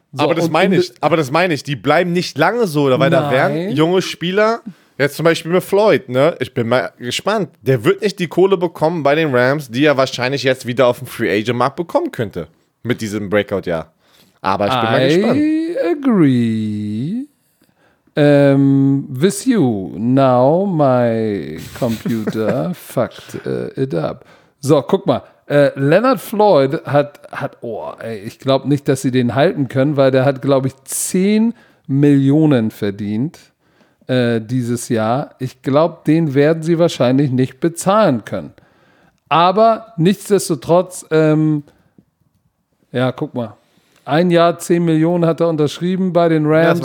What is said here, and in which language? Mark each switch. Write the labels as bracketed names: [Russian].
[German] So, aber das meine ich, die bleiben nicht lange so, weil da wären junge Spieler, jetzt zum Beispiel mit Floyd, ne? Ich bin mal gespannt, der wird nicht die Kohle bekommen bei den Rams, die er wahrscheinlich jetzt wieder auf dem Free-Agent-Markt bekommen könnte, mit diesem Breakout-Jahr. Aber ich bin mal gespannt. [English] I agree with you. Now my computer fucked it up. [German] So, guck mal. Leonard Floyd hat, ich glaube nicht, dass sie den halten können, weil der hat, glaube ich, 10 Millionen verdient dieses Jahr. Ich glaube, den werden sie wahrscheinlich nicht bezahlen können. Aber nichtsdestotrotz, guck mal, ein Jahr 10 Millionen hat er unterschrieben bei den Rams. Ja,